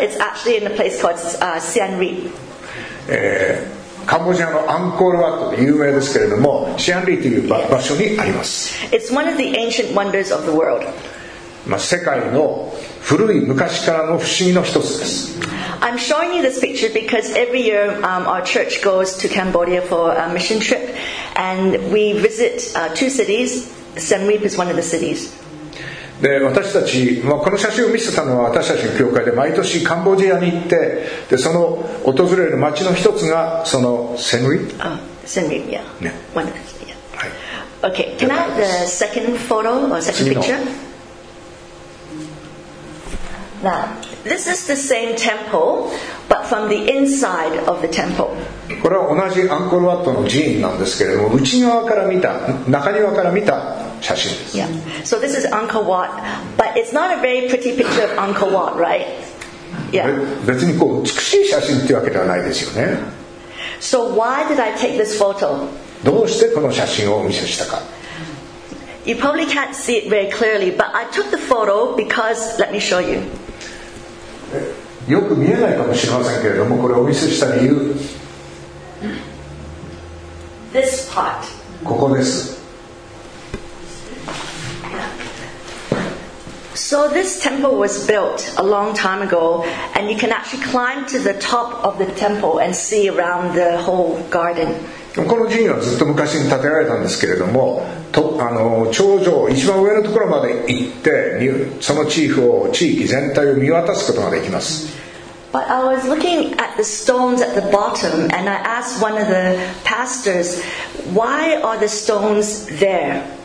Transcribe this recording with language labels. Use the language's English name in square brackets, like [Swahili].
[English] It's actually in a place called Siem Reap. [Japanese] カンボジアのアンコールワットで有名ですけれども、シアンリーという場所にあります。 [English] It's one of the ancient wonders of the world. [Japanese] まあ、世界の古い昔からの不思議の一つです。 [English] I'm showing you this picture because every year our church goes to Cambodia for a mission trip and we visit two cities. Siem Reap is one of the cities. [Japanese] で私たち、まあ、この写真を見せたのは私たちの教会で毎年カンボジアに行ってでその訪れる町の一つがそのSiem Reap。 [English] Siem Reap, yeah. [Japanese] ね。 [English] One of the cities, yeah. Okay, can I have the second photo or second picture? Now, this is the same temple, but from the inside of the temple. [Japanese] これは同じアンコールワットの寺院なんですけれども、内側から見た、中庭から見た写真です。 [English] Yeah. So this is Angkor Wat, but it's not a very pretty picture of Angkor Wat, right? Yeah. [Japanese] 別にこう美しい写真というわけではないですよね。 [English] So why did I take this photo? [Japanese] どうしてこの写真をお見せしたか。 [English] You probably can't see it very clearly, but I took the photo because, let me show you. [Japanese] よく見えないかもしれませんけれども、これをお見せした理由。 [English] This part. [Japanese] ここです。 [English] So this temple was built a long time ago, and you can actually climb to the top of the temple and see around the whole garden. [Japanese] この寺院はずっと昔に建てられたんですけれどもとあの頂上一番上のところまで行ってその地域を地域全体を見渡すことができます。 [English] But I was looking at the stones at the bottom and I asked one of the pastors, why are the stones there?